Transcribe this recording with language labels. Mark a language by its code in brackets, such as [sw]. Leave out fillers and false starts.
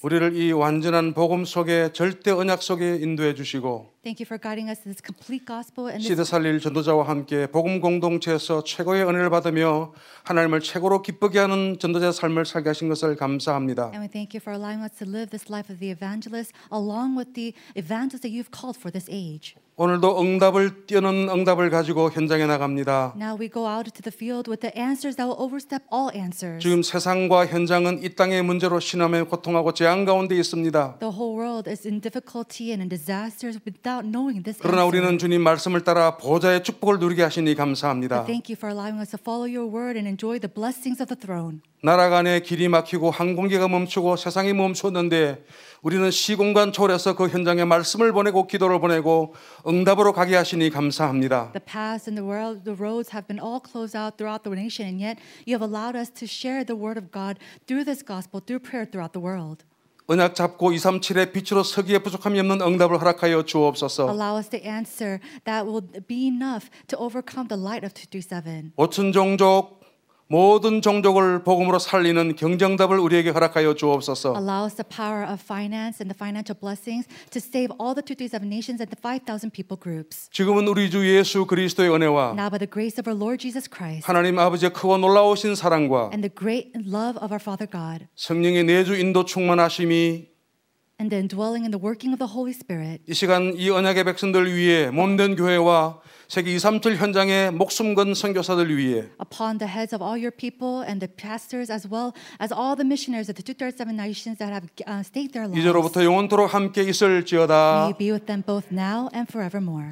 [ko] 우리를 이 완전한 복음 속에 절대 언약 속에 인도해 주시고 [en] Thank you for guiding us in this complete gospel and [ko] 시대 살릴 전도자와 함께 복음 공동체에서 최고의 은혜를 받으며 하나님을 최고로 기쁘게 하는 전도자 삶을 살게 하신 것을 감사합니다. [en] And we thank you for allowing us to live this life of the evangelist along with the evangelists that you've called for this age. [ko] 오늘도 응답을 뛰어넘는 응답을 가지고 현장에 나갑니다. [en] Now we go out to the field with the answers that will overstep all answers. [ko] 지금 세상과 현장은 이 땅의 문제로 신음에 고통하고 재앙 가운데 있습니다. [en] The whole world is in difficulty and in disasters without knowing this. [ko] 그러나 [en] answer. [ko] 우리는 주님 말씀을 따라 보좌의 축복을 누리게 하시니 감사합니다. [en] But thank you for allowing us to follow your word and enjoy the blessings of the throne. [ko] 나라 간에 길이 막히고 항공기가 멈추고 세상이 멈췄는데 우리는 시공간 초월해서 그 현장에 말씀을 보내고 기도를 보내고 응답으로 가게 하시니 감사합니다. [en] The paths and the world, the roads have been all closed out throughout the nation, and yet you have allowed us to share the word of God through this gospel, through prayer throughout the world. [ko] 언약 잡고 237의 빛으로 서기에 부족함이 없는 응답을 허락하여 주옵소서. [en] Allow us the answer that will be enough to overcome the light of 237. [ko] 5천 종족 모든 종족을 복음으로 살리는 경쟁답을 우리에게 허락하여 주옵소서. [en] Allow us the power of finance and the financial blessings to save all the 237 nations and the 5,000 people groups. [ko] 지금은 우리 주 예수 그리스도의 은혜와 [en] Now by the grace of our Lord Jesus Christ. [ko] 하나님 아버지의 크고 놀라우신 사랑과 [en] And the great love of our Father God. [ko] 성령의 내주 인도 충만하심이 [en] And the indwelling and the working of the Holy Spirit. [ko] 이 시간 이 언약의 백성들 위해 몸된 교회와 세계 237 현장의 목숨 건 선교사들 위해 [en] upon the heads of all your people and the pastors as well as all the missionaries of the 237 nations that have staked their lives [ko] 이제로부터 영원토록 함께 있을지어다 [en] May you be with them both now and forevermore.